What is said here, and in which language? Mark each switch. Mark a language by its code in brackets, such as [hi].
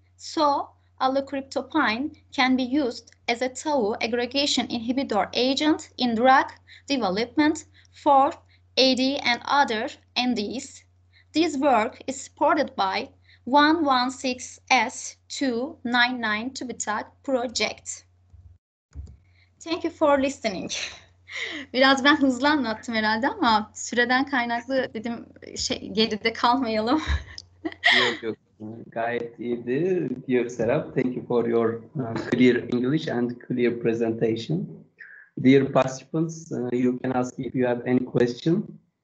[en] So, allocryptopine can be used as a tau aggregation inhibitor agent in drug development for AD and other NDs. This work is supported by 116S299 TÜBİTAK project. Thank you for listening. [tr] Biraz ben hızlı anlattım herhalde ama süreden kaynaklı dedim geride kalmayalım. Yok. Gayet iyiydi, dear Serap. [en] Thank you for your clear English and clear presentation. Dear participants, you can ask if you have any question.